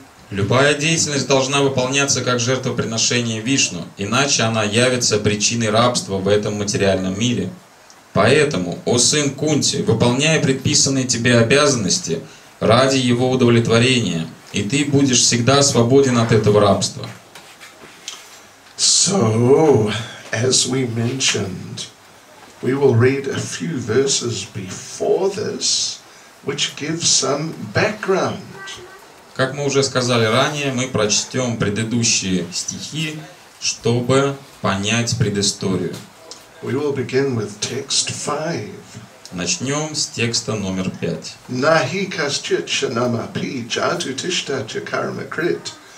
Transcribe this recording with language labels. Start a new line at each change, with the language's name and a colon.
Russian: Любая деятельность должна выполняться как жертвоприношение Вишну, иначе она явится причиной рабства в этом материальном мире. Поэтому, о сын Кунти, выполняя предписанные тебе обязанности ради его удовлетворения, и ты будешь всегда свободен от этого рабства.
English: So, as we mentioned, we will read a few verses before this, which give some background.
Russian: Как мы уже сказали ранее, мы прочтем предыдущие стихи, чтобы понять предысторию.
English: We will begin with text 5.
Russian: Начнем с текста номер 5.
Sanskrit: Nahi kaschich namapi jatu tishta chakarma krit.